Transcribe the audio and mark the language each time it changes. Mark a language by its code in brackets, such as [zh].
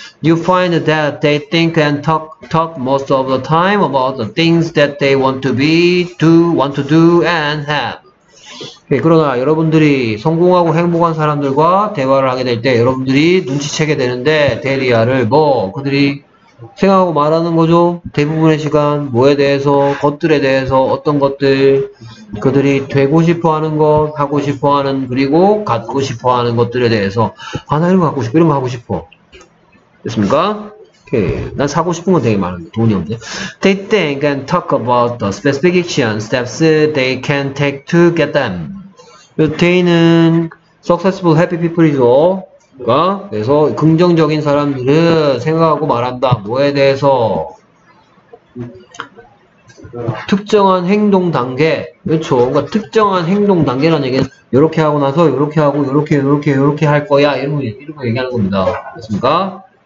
[en] You find that they think and talk most of the time about the things that they want to be, do, want to do, and have. [ko] Okay, 그러나 여러분들이 성공하고 행복한 사람들과 대화를 하게 될 때 여러분들이 눈치채게 되는데 데리아를 뭐 그들이 생각하고 말하는 거죠. 대부분의 시간 뭐에 대해서 것들에 대해서 어떤 것들 그들이 되고 싶어하는 것 하고 싶어하는 그리고 갖고 싶어하는 것들에 대해서 하나 이런 거 갖고 싶어 이런 거 하고 싶어 됐습니까? 오케이. 난 사고 싶은 건 되게 많은데 돈이 없네. [en] They think and talk about the specific action steps they can take to get them. [ko] 요테이는 [en] successful happy people [ko] 이죠. 그러니까 그래서 긍정적인 사람들은 생각하고 말한다. 뭐에 대해서 특정한 행동 단계. 그렇죠. 그러니까 특정한 행동 단계라는 얘기는 이렇게 하고 나서 이렇게 하고 이렇게 할 거야 이런 거 얘기하는 겁니다. 그렇습니까?